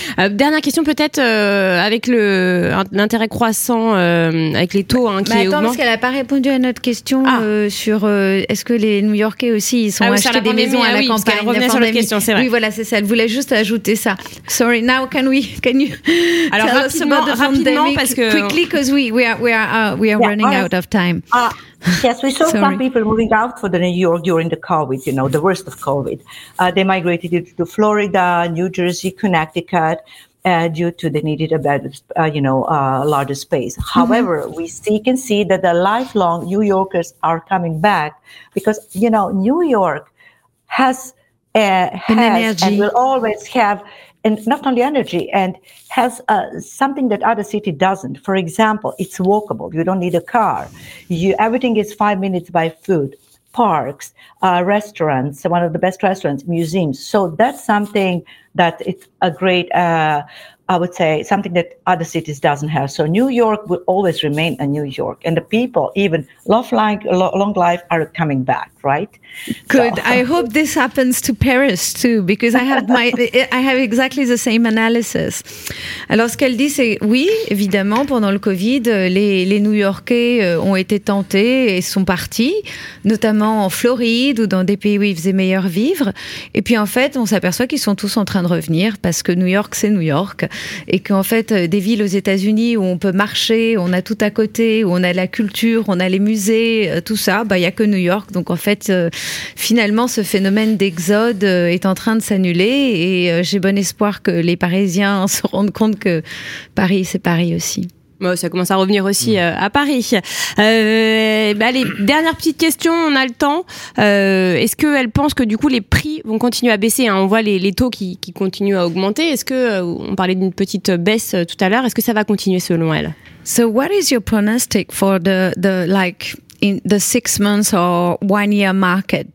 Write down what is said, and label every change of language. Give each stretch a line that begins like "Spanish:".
French: Dernière question peut-être, avec l'intérêt croissant, avec les taux qui augmentent. Attends, parce qu'elle n'a pas répondu à notre question sur est-ce que les New Yorkais aussi ils sont achetés des maisons à la campagne. Parce qu'elle revenait sur la question, c'est vrai. Oui, voilà, c'est ça, elle voulait juste ajouter ça.
English: Sorry, now can you.
French: Alors rapidement parce que
English: quickly because we are running out of time. Yes, we saw some people moving out for the New York during the COVID, the worst of COVID. They migrated to Florida, New Jersey, Connecticut. due to the needed larger space. Mm-hmm. However, we can see that the lifelong New Yorkers are coming back because, you know, New York has and will always have, and not only energy, and has something that other city doesn't. For example, it's walkable. You don't need a car. Everything is 5 minutes by foot. Parks, restaurants, one of the best restaurants, museums. So that's something that it's a great, I would say, something that other cities doesn't have. So New York will always remain a New York. And the people, even long life, are coming back, right? Good. So. I hope this happens to Paris, too, because I have exactly the same analysis.
French: Alors, ce qu'elle dit, c'est oui, évidemment, pendant le Covid, les New Yorkais ont été tentés et sont partis, notamment en Floride ou dans des pays où ils faisaient meilleur vivre. Et puis, en fait, on s'aperçoit qu'ils sont tous en train de revenir parce que New York, c'est New York. Et qu'en fait, des villes aux États-Unis où on peut marcher, on a tout à côté, où on a la culture, on a les musées, tout ça, bah, il n'y a que New York. Donc en fait, finalement, ce phénomène d'exode est en train de s'annuler. Et j'ai bon espoir que les Parisiens se rendent compte que Paris, c'est Paris aussi. Bon, ça commence à revenir aussi à Paris. Allez, dernière petite question, on a le temps. Est-ce qu'elle pense que du coup les prix vont continuer à baisser, hein? On voit les taux qui continuent à augmenter. Est-ce que on parlait d'une petite baisse tout à l'heure? Est-ce que ça va continuer selon elle?
English: So what is your pronostic for the like in the 6 months or 1 year market?